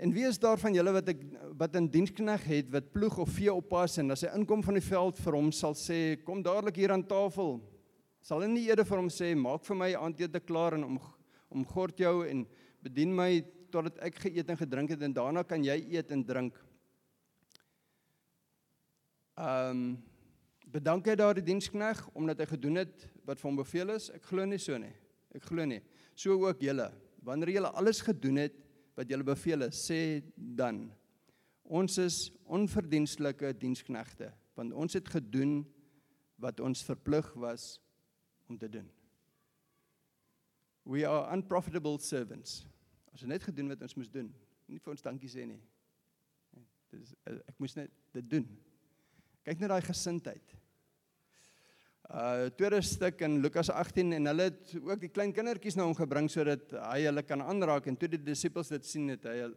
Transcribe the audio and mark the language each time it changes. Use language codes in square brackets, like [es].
[af] En wie is daar van julle wat een dienskneg het, wat ploeg of vee oppas, en as hy inkom van die veld vir hom, sal sê, kom dadelijk hier aan tafel. Sal hy nie eerder vir hom sê, maak vir my aandete klaar en omgord jou en bedien my totdat ek geëet en gedrink het, en daarna kan jy eet en drink. Bedank hy daar die dienskneg, omdat hy gedoen het wat vir hom beveel is? Ek glo nie so nie. Ek glo nie. So ook julle. Wanneer julle alles gedoen het wat julle beveel is, sê dan, ons is onverdienstelike diensknegte, want ons het gedoen wat ons verplig was om te doen. [en] We are unprofitable servants. [af] Ons het net gedoen wat ons moes doen. Nie vir ons dankie sê nie. Ek moes net dit doen. Kyk net die gesindheid. Tweede stuk in Lukas 18, en hulle het ook die klein kindertjies na hom gebring, so dat hy hulle kan aanraak, en toe die disciples dit sien, het hy,